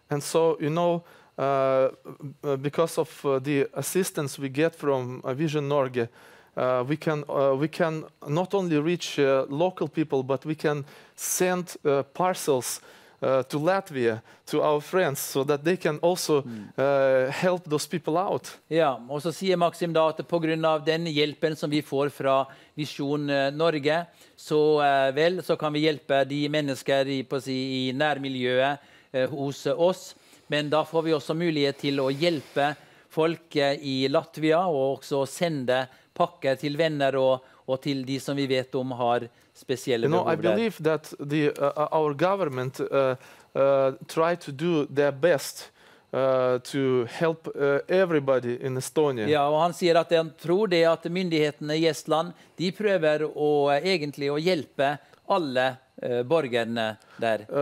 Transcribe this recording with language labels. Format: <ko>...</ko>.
<en>And so, you know, because of the assistance we get from Vision Norge, we can not only reach local people, but we can send parcels to Latvia, to our friends, so that they can also help those people out.</en> <no>Ja, og så sier Maxim da at på grunn av den hjelpen som vi får fra Visjon Norge, så vel, så kan vi hjelpe de mennesker I, på å si, I nærmiljøet hos oss, men da får vi også mulighet til å hjelpe folk I Latvia og også sende pakker til venner og og til de som vi vet om har spesielle behov der.</no> <en>I believe that the our government try to do their best to help everybody in Estonia.</en> <no>Ja, og han sier at han tror det at myndighetene I Estland, de prøver å egentlig å hjelpe alle borgerne der.</no>